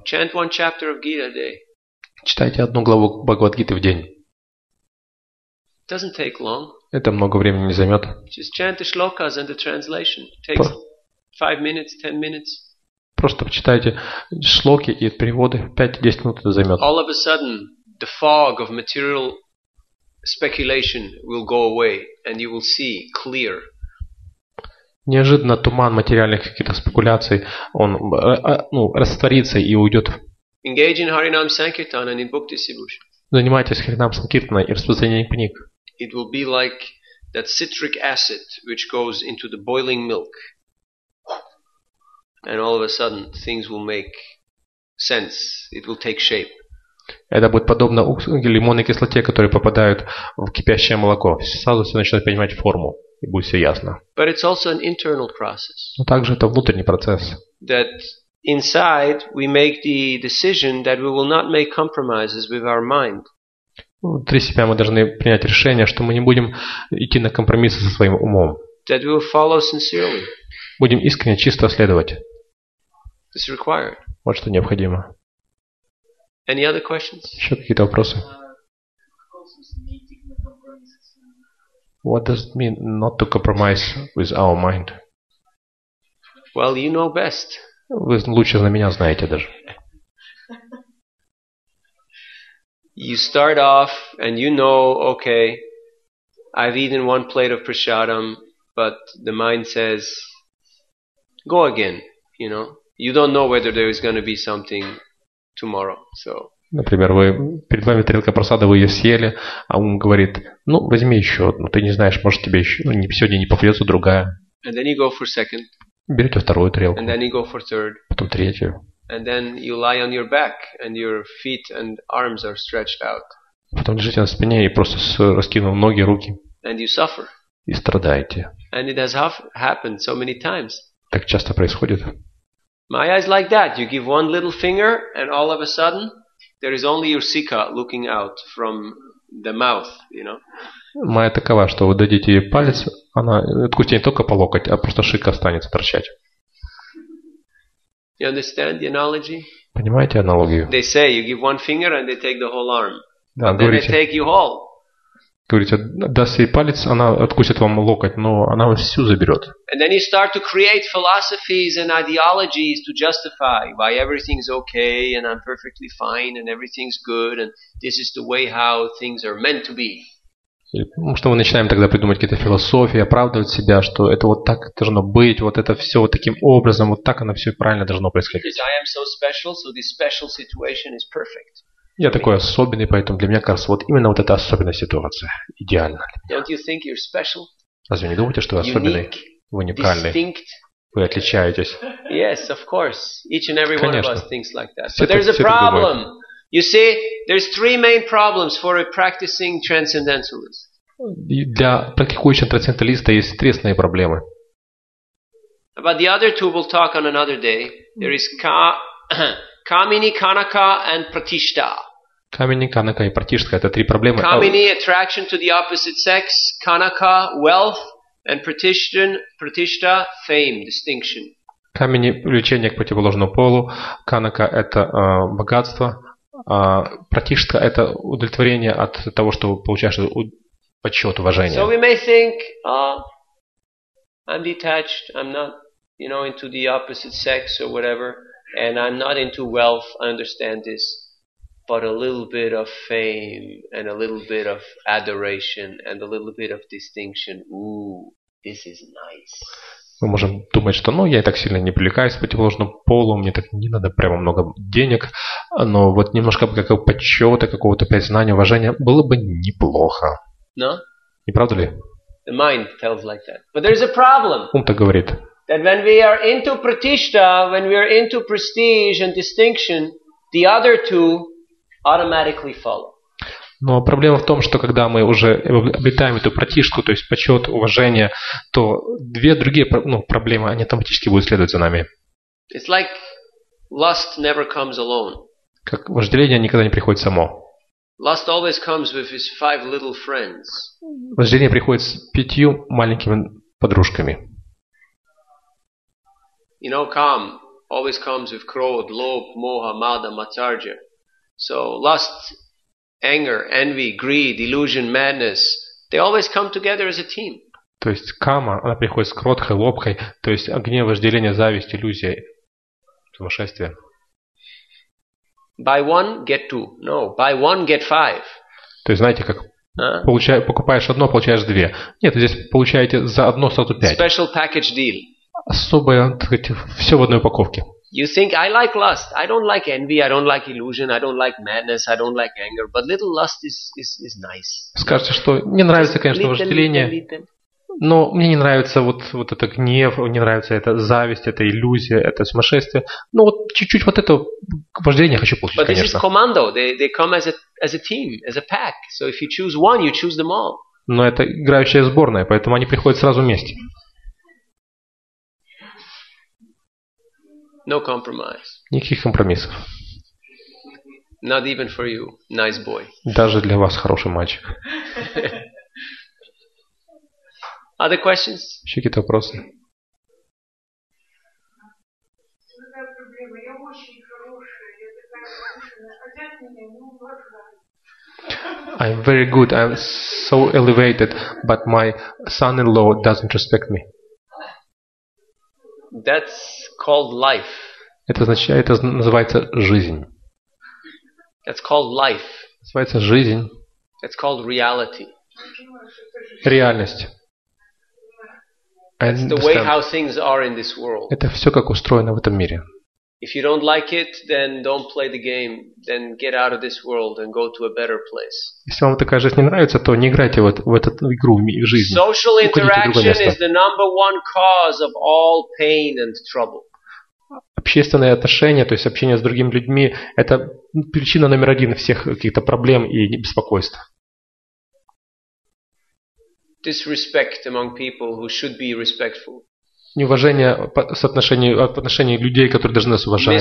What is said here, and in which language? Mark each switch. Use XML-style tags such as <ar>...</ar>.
<en>Chant one chapter of Gita a day.</en> <ru>Читайте одну главу Бхагавад-Гиты в день.</ru> <en>It doesn't take long.</en> <ru>Это много времени не займет.</ru> <en>Just chant the shlokas and the translation. It takes 5 minutes, 10 minutes.</en> <ru>Просто почитайте шлоки и переводы, 5-10 минут это займет.</ru> <en>All of a sudden, the fog of material speculation will go away, and you will see clear.</en> <ru>Неожиданно туман материальных каких-то спекуляций он растворится и уйдет.</ru> <en>Engage in Harinam Sankirtan and in book distribution.</en> <ru>Занимайтесь Харинам Санкиртаной и распространением книг.</ru> <en>It will be like that citric acid which goes into the boiling milk, and all of a sudden things will make sense. It will take shape.</en> <ru>Это будет подобно лимонной кислоте, которая попадает в кипящее молоко. Сразу все начнет принимать форму, и будет все ясно.</ru> <en>But it's also an internal process.</en> <ru>Но также это внутренний процесс.</ru> <en>That inside we make the decision that we will not make compromises with our mind.</en> <ru>Внутри себя мы должны принять решение, что мы не будем идти на компромиссы со своим умом.</ru> <en>That we will follow sincerely.</en> <ru>Будем искренне, чисто следовать.</ru> <en>It's required.</en> <ru>Вот что необходимо.</ru> <en>Any other questions?</en> <ru>Еще какие-то вопросы?</ru> <en>What does it mean not to compromise with our mind? Well, you know best.</en> <ru>Вы лучше на меня знаете даже.</ru> <en>You start off and you know, okay, I've eaten one plate of prasadam, but the mind says, go again, you know. You don't know whether there is going to be something tomorrow, so.</en> <ru>Например, вы, перед вами тарелка просада, вы ее съели, а ум говорит, ну, возьми еще одну, ты не знаешь, может тебе еще, ну, не, сегодня не попадется другая.</ru> <en>And then you go for second.</en> <ru>Берете вторую тарелку.</ru> <en>And then you go for third.</en> <ru>Потом третью.</ru> <en>And then you lie on your back and your feet and arms are stretched out.</en> <ru>Потом лежите на спине и просто раскинув ноги, руки.</ru> <en>And you suffer.</en> <ru>И страдаете.</ru> <en>And it has happened so many times.</en> <ru>Так часто происходит.</ru> <en>Maya is like that. You give one little finger and all of a sudden there is only your sika looking out from the mouth, you know.</en> <ru>Майя такова, что вы дадите ей палец, она откусит не только по локоть, а просто шика останется торчать.</ru> <en>You understand the analogy?</en> <ru>Понимаете аналогию?</ru> <en>They say you give one finger and they take the whole arm.</en> <ru>Да,</ru> <en>then</en> <ru>говорите,</ru> <en>they take you whole.</en> <ru>Говорите, даст ей палец, она откусит вам локоть, но она вас всю заберет.</ru> <en>And then you start to create philosophies and ideologies to justify why everything's okay and I'm perfectly fine and everything's good and this is the way how things are meant to be.</en> <ru>Потому что мы начинаем тогда придумывать какие-то философии, оправдывать себя, что это вот так должно быть, вот это все вот таким образом, вот так оно все правильно должно происходить.</ru> <en>I am so special, so this special situation is perfect.</en> <ru>Я такой особенный, поэтому для меня кажется, вот именно вот эта особенная ситуация идеальна для меня.</ru> <en>Don't you think you're special?</en> <ru>Разве не думаете, что вы особенный?</ru> <en>Unique,</en> <ru>вы уникальный.</ru> <en>Distinct.</en> <ru>Вы отличаетесь.</ru> <en>Yes, of course. Each and every</en> <ru>Конечно.</ru> <en>One of us thinks like that.</en> <ru>Все</ru> <en>But there's</en> <ru>это,</ru> <en>a problem. You see, there's three main problems for a practicing transcendentalist.</en> <ru>Для практикующего трансценденталиста есть три основные проблемы.</ru> <en>About the other two we'll talk on another day. There is Kamini, Kanaka and Pratishta.</en> <ru>Kamini, Kanaka и Pratishta – это три проблемы.</ru> <en>Kamini – attraction to the opposite sex, Kanaka – wealth, and Pratishta – fame, distinction.</en> <ru>Kamini – влечение к противоположному полу, Kanaka – это богатство, а Pratishta – это удовлетворение от того, что получаешь почет, уважение.</ru> <en>So we may think, I'm detached, I'm not, you know, into the opposite sex or whatever. And I'm not into wealth, I understand this, but a little bit of fame, and a little bit of adoration, and a little bit of distinction. Ooh, this is nice.</en> <ru>Мы можем думать, что, ну, я и так сильно не привлекаюсь к противоположному полу, мне так не надо прямо много денег, но вот немножко какого-то почета, какого-то признания, уважения было бы неплохо.</ru> <en>No?</en> <ru>Не правда ли?</ru> <en>The mind tells like that. But there is a problem.</en> <ru>Ум так говорит.</ru> <en>That when we are into pratishta, when we are into prestige and distinction, the other two automatically follow.</en> <ru>Но проблема в том, что когда мы уже обретаем эту пратишку, то есть почет, уважение, то две другие ну, проблемы, они автоматически будут следовать за нами.</ru> <en>It's like lust never comes alone.</en> <ru>Как вожделение никогда не приходит само.</ru> <en>Lust always comes with his five little friends.</en> <ru>Вожделение приходит с пятью маленькими подружками.</ru> <en>You know, calm always comes with krodh, lobh, moha, mada, matsarja. So lust, anger, envy, greed, illusion, madness, they always come together as a team.</en> <ru>То есть кама, она приходит с кротхой, лобхой, то есть огнев, вожделение, зависть, иллюзия, сумасшествие.</ru> <en>Buy one, get two. No, buy one, get five.</en> <ru>То есть знаете, как покупаешь одно, получаешь две. Нет, здесь получаете за одно сразу пять.</ru> <en>Special package deal.</en> <ru>Особое, так сказать, все в одной упаковке.</ru> <en>You think I like lust. I don't like envy, I don't like illusion, I don't like madness, I don't like anger, but little lust is nice.</en> <ru>Скажете, что мне нравится, конечно, вожделение. Но мне не нравится вот это гнев, не нравится эта зависть, эта иллюзия, это сумасшествие. Но вот чуть-чуть вот это вожделение хочу получить,</ru> <en>but</en> <ru>конечно.</ru> <en>But this is commando. They come as a team, as a pack. So if you choose one, you choose them all.</en> <ru>Но это играющая сборная, поэтому они приходят сразу вместе.</ru> <en>No compromise.</en> <ru>Никаких компромиссов.</ru> <en>Not even for you, nice boy.</en> <ru>Даже для вас хороший мальчик.</ru> <en>Other questions?</en> <ru>Еще какие-то вопросы? Я очень хорошая, я такая хорошая. Одеть меня, ну,</ru> <en>I'm very good. I'm so elevated, but my son-in-law doesn't respect me. That's called life.</en> <ru>Это означает, это называется жизнь.</ru> <en>That's called life.</en> <ru>Называется жизнь.</ru> <en>It's called reality.</en> <ru>Реальность.</ru> <en>It's the way how things are in this world.</en> <ru>Это все как устроено в этом мире.</ru> <en>If you don't like it, then don't play the game. Then get out of this world and go to a better place.</en> <ru>Если вам такая жизнь не нравится, то не играйте в эту игру в жизни.</ru> <en>Social interaction is the number one cause of all pain and trouble.</en> <ru>Общественные отношения, то есть общение с другими людьми, это причина номер один всех каких-то проблем и беспокойств.</ru> <en>Disrespect among people who should be respectful.</en> <ru>Неуважение в отношении людей, которые должны нас уважать.</ru>